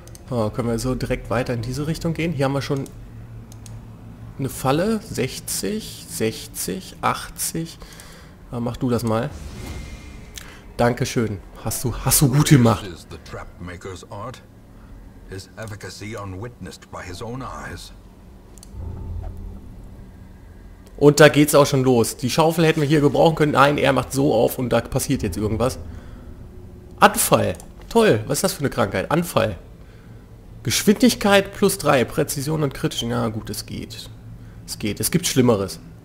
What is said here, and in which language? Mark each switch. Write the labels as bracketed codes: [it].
[de] Oh, können wir so direkt weiter in diese Richtung gehen? Hier haben wir schon eine Falle. 60, 60, 80. Ja, mach du das mal. Dankeschön. Hast du gut gemacht. Das ist der Trapmaker's Art. [en] His efficacy unwitnessed by his own eyes. [de] Und da geht's auch schon los. Die Schaufel hätten wir hier gebrauchen können. Nein, er macht so auf und da passiert jetzt irgendwas. Anfall. Toll. Was ist das für eine Krankheit? Anfall. Geschwindigkeit plus 3, Präzision und kritisch. Ja gut, es geht. Es geht. Es gibt Schlimmeres.